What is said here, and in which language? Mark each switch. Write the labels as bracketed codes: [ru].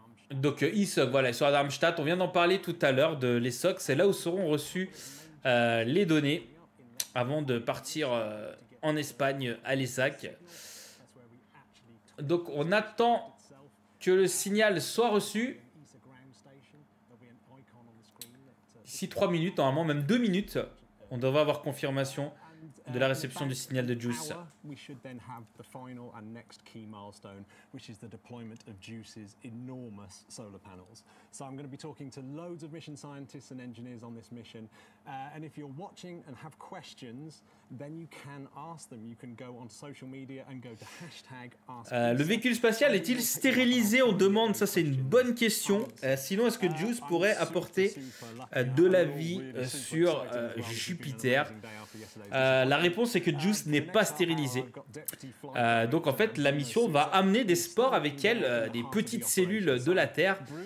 [fr] Donc ESOC, voilà, sur Darmstadt, on vient d'en parler tout à l'heure de l'ESOC, c'est là où seront reçues les données avant de partir en Espagne à l'ESAC. Donc on attend que le signal soit reçu. D'ici 3 minutes, normalement même 2 minutes, on devrait avoir confirmation de la réception du signal de Juice. [en] We should then have the final and next key milestone, which is the deployment of Juice's enormous solar panels. So I'm going to be talking to loads of mission scientists and engineers on this mission. And if you're watching and have questions, then you can ask them. You can go on social media and go to hashtag ask. [fr] Le véhicule spatial est-il stérilisé? On demande, ça c'est une bonne question. Sinon, est-ce que Juice pourrait apporter de la vie sur Jupiter? La réponse est que Juice n'est pas stérilisée. Donc en fait, la mission va amener des spores avec elle, des petites cellules de la Terre.